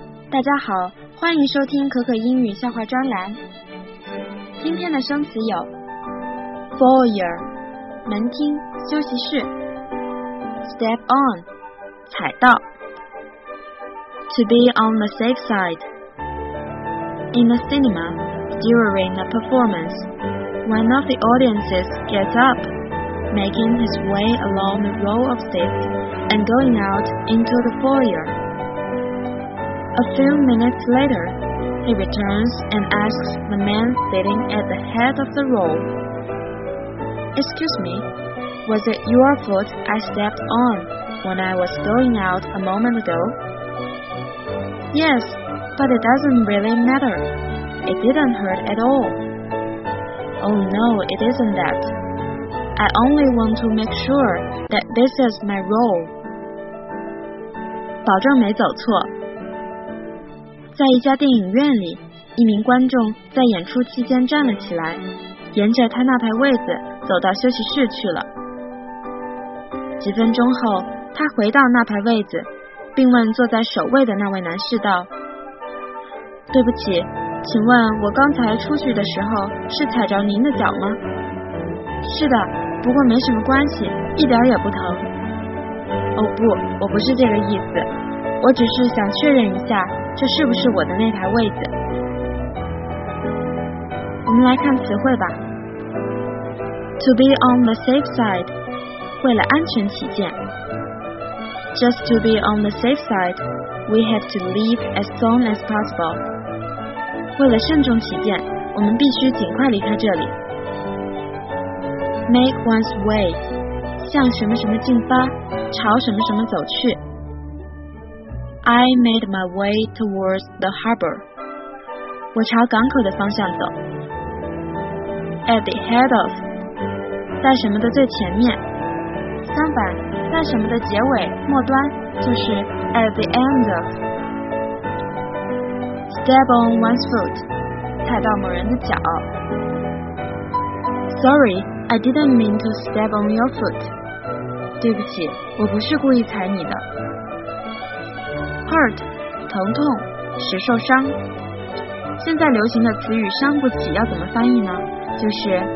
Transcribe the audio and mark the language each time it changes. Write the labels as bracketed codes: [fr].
[zh] 大家好，欢迎收听可可英语笑话专栏。今天的生词有 [en] foyer [zh] 门厅休息室， [en] step on [zh] 踩到， [en] to be on the safe side， in the cinema during a performance one of the audiences gets up making his way along the row of seats and going out into the foyer。 A few minutes later, he returns and asks the man sitting at the head of the row, "Excuse me, was it your foot I stepped on when I was going out a moment ago?" "Yes, but it doesn't really matter. It didn't hurt at all." "Oh no, it isn't that. I only want to make sure that this is my row." [zh] 保证没走错。在一家电影院里，一名观众在演出期间站了起来，沿着他那排位子走到休息室去了。几分钟后，他回到那排位子，并问坐在首位的那位男士道，对不起，请问我刚才出去的时候是踩着您的脚吗？是的，不过没什么关系，一点也不疼。哦不，我不是这个意思，我只是想确认一下这是不是我的那台位子。我们来看词汇吧。 [en] To be on the safe side， [zh] 为了安全起见。 [en] Just to be on the safe side， we have to leave as soon as possible。 [zh] 为了慎重起见，我们必须尽快离开这里。 [en] Make one's way， [zh] 向什么什么进发，朝什么什么走去。 [en] I made my way towards the harbor. [zh] 我朝港口的方向走。 [en] At the head of， [zh] 在什么的最前面。相反，在什么的结尾、末端，就是 [en] at the end of。 Step on one's foot， [zh] 踩到某人的脚。 [en] Sorry, I didn't mean to step on your foot. [zh] 对不起，我不是故意踩你的。 Hurt， 疼痛，使受伤。现在流行的词语"伤不起"要怎么翻译呢？就是